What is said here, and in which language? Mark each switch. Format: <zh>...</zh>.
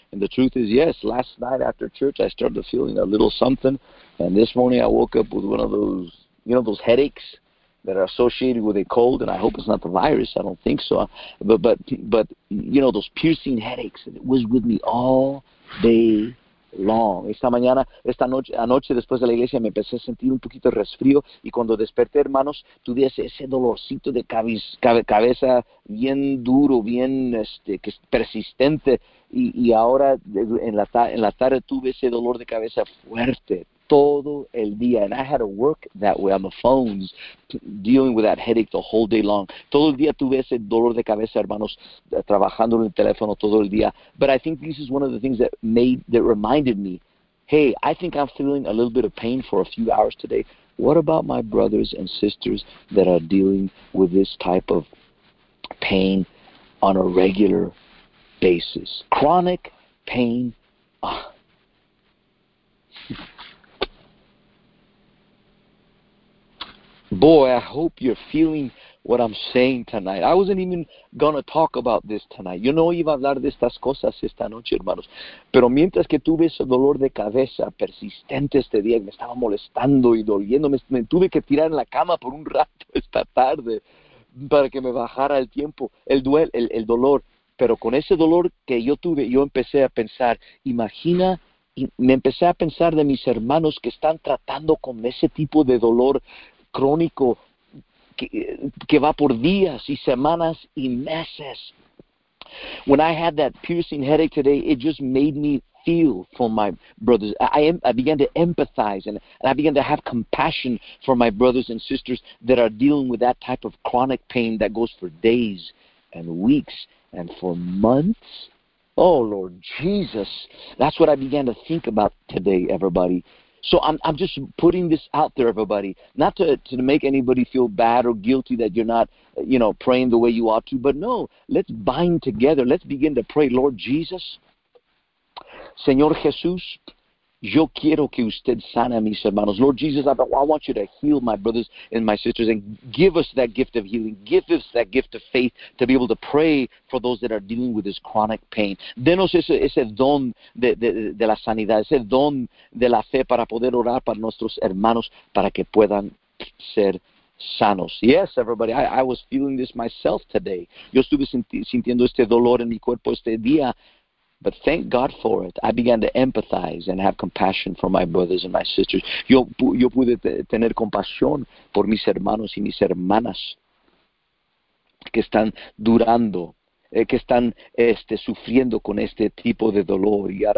<en>And the truth is, yes, last night after church, I started feeling a little something. And this morning I woke up with one of those, those headaches. that are associated with a cold, and I hope it's not the virus. I don't think so. But you know, those piercing headaches, and it was with me all day long.</en> <es>Esta mañana, esta noche, anoche después de la iglesia, me empecé a sentir un poquito de resfrío, y cuando desperté, hermanos, tuve ese dolorcito de cabeza bien duro, bien que es persistente, y ahora en la tarde tuve ese dolor de cabeza fuerte todo el día.</es> <en>And I had to work that way on the phones, dealing with that headache the whole day long.</en> <es>Todo el día tuve ese dolor de cabeza, hermanos, trabajando en el teléfono todo el día.</es> <en>But I think this is one of the things that reminded me, hey, I think I'm feeling a little bit of pain for a few hours today. What about my brothers and sisters that are dealing with this type of pain on a regular basis? Chronic pain. Boy, I hope you're feeling what I'm saying tonight. I wasn't even going to talk about this tonight.</en> <es>Yo no iba a hablar de estas cosas esta noche, hermanos. Pero mientras que tuve ese dolor de cabeza persistente este día, me estaba molestando y doliendo, me tuve que tirar en la cama por un rato esta tarde para que me bajara el tiempo, el dolor. Pero con ese dolor que yo tuve, yo empecé a pensar, imagina. Y me empecé a pensar de mis hermanos que están tratando con ese tipo de dolor crónico que va por días y semanas y meses.</es> <en>When I had that piercing headache today, it just made me feel for my brothers. I began to empathize, and I began to have compassion for my brothers and sisters that are dealing with that type of chronic pain that goes for days and weeks and for months. Oh, Lord Jesus, that's what I began to think about today, everybody. So I'm just putting this out there, everybody, not to make anybody feel bad or guilty that you're not, you know, praying the way you ought to, but no, let's bind together. Let's begin to pray, Lord Jesus,</en> <es>Señor Jesús, yo quiero que usted sane a mis hermanos.</es> <en>Lord Jesus, I want you to heal my brothers and my sisters and give us that gift of healing. Give us that gift of faith to be able to pray for those that are dealing with this chronic pain.</en> <es>Denos ese don de la sanidad, ese don de la fe para poder orar para nuestros hermanos para que puedan ser sanos.</es> <en>Yes, everybody, I was feeling this myself today.</en> <es>Yo estuve sintiendo este dolor en mi cuerpo este día.</es> <en>But thank God for it. I began to empathize and have compassion for my brothers and my sisters.</en> <es>Yo pude tener compasión por mis hermanos y mis hermanas que están durando, que están sufriendo con este tipo de dolor.</es>